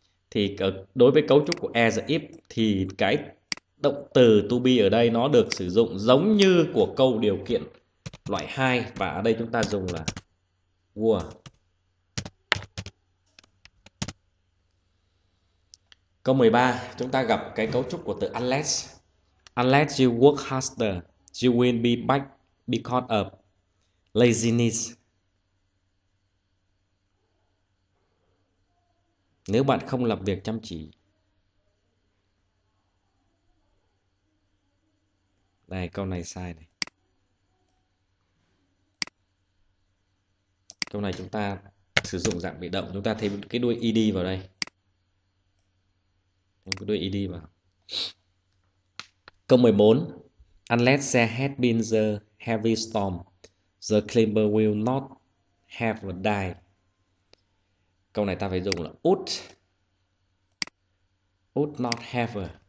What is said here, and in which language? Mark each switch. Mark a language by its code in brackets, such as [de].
[vi] Thì đối với cấu trúc của as if thì cái động từ to be ở đây nó được sử dụng giống như của câu điều kiện loại 2, và ở đây chúng ta dùng là were. Câu 13, chúng ta gặp cái cấu trúc của từ unless. [en] Unless you work harder, you will be back because of laziness. [vi] Nếu bạn không làm việc chăm chỉ. Đây, câu này sai này. Câu này chúng ta sử dụng dạng bị động, chúng ta thêm cái đuôi ed vào đây. Em cứ đưa ý đi vào. Câu 14. [en] Unless there had been the heavy storm, the climber will not have died. [vi] Câu này ta phải dùng là would not have.